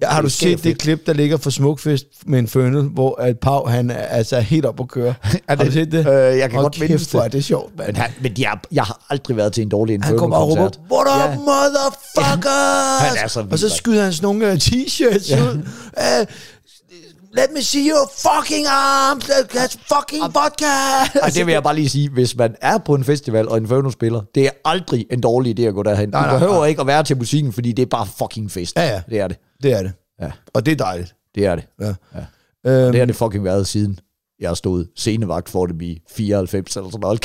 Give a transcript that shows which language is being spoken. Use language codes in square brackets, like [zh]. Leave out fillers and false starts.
[da] Ja, har du set det klip, der ligger for Smukfest med Infernal, hvor at Pau, han altså er helt op at køre? Har du set det? Jeg kan godt minde det. Hvor er det sjovt, mand. Jeg har aldrig været til en dårlig Infernal-koncert. Han kommer og råber, motherfuckers! Han er så og så skyder han sådan nogle t-shirts ud. [en] Let me see your fucking arms! That's fucking vodka! [da] Og det vil jeg bare lige sige, hvis man er på en festival og en Inferno spiller, det er aldrig en dårlig idé at gå derhen. Du behøver ikke at være til musikken, fordi det er bare fucking fest. Ja. Det er det. Det er det. Ja. Og det er dejligt. Det er det. Ja. Ja. Det har det fucking været siden. Jeg har stået scenevagt for dem i 94 eller sådan noget.